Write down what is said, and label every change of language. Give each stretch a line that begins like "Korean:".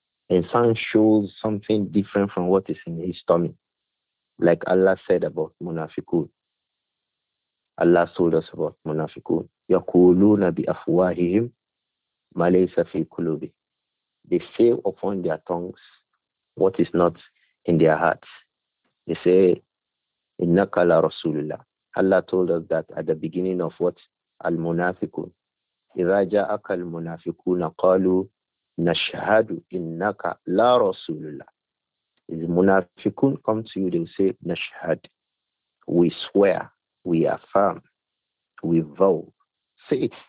English: Insan shows something different from what is in his stomach. Like Allah said about munafiqun. Allah told us about munafiqun.
Arabic: يَقُولُونَ بِأَفْوَاهِهِمْ مَا لَيْسَ فِي قُلُوبِهِمْ.
English: They say upon their tongues what is not in their hearts. They say,
Arabic: إِنَّكَ لَرَسُولُ اللَّهِ.
English: Allah told us that at the beginning of what? Al-munafiqun.
Arabic: إِذَا جَاءَكَ الْمُنَافِقُونَ قَالُوا Nashhadu innaka la Rasulullah.
English: The munafiqun come to you, they will say, Nashhad. We swear, we affirm, we vow. Say it.